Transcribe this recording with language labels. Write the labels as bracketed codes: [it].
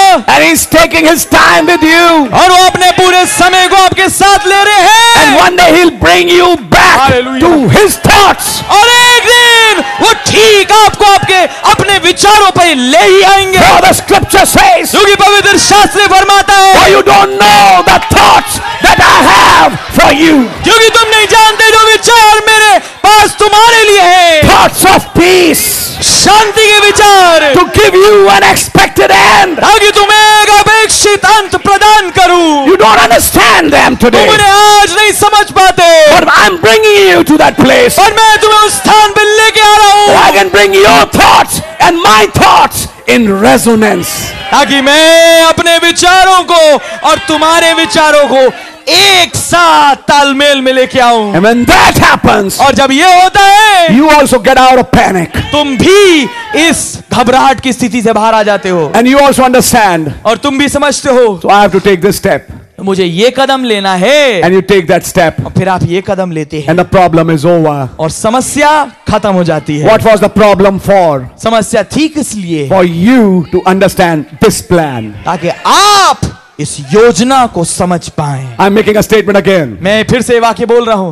[en] And He's taking His time with you. [hi] और वो अपने पूरे समय को आपके साथ ले रहे हैं. [en] One day he'll bring you back Hallelujah. to his thoughts. [hi] और एक दिन वो ठीक आपको आपके अपने विचारों पर ले ही आएंगे. [en] For the scripture says, [hi] क्योंकि पवित्र शास्त्र फरमाता है, [en] For you don't know the thoughts that I have for you. [hi] क्योंकि तुम नहीं जानते जो विचार मेरे पास तुम्हारे लिए हैं. [en] Thoughts of peace. [hi] शांति के विचार. [en] To give you an expected end. [hi] ताकि तुम्हें एक अपेक्षित अंत प्रदान करूं. [en] You don't understand them today. [hi] तुमने आज नहीं समझ पाते. [en] But I'm bringing you to that place. [hi] और मैं तुम्हें उस स्थान पे लेके आ रहा हूं. [en] That I can bring your thoughts and my thoughts in resonance. [hi] ताकि मैं अपने विचारों को और तुम्हारे विचारों को एक साथ तालमेल में लेके आऊं [en] and when that happens [hi] और जब ये होता है [en] you also get out of panic [hi] तुम भी इस घबराहट की स्थिति से बाहर आ जाते हो [en] and you also understand [hi] और तुम भी समझते हो [en] so I have to take this step [hi] मुझे ये कदम लेना है [en] and you take that step [hi] और फिर आप ये कदम लेते हैं [en] and the problem is over [hi] और समस्या खत्म हो जाती है [en] what was the problem for [hi] समस्या ठीक इसलिए [en] for you to understand this plan [hi] ताकि आप इस योजना को समझ पाए [en] I am making a statement again [hi] मैं फिर से वाक्य बोल रहा हूं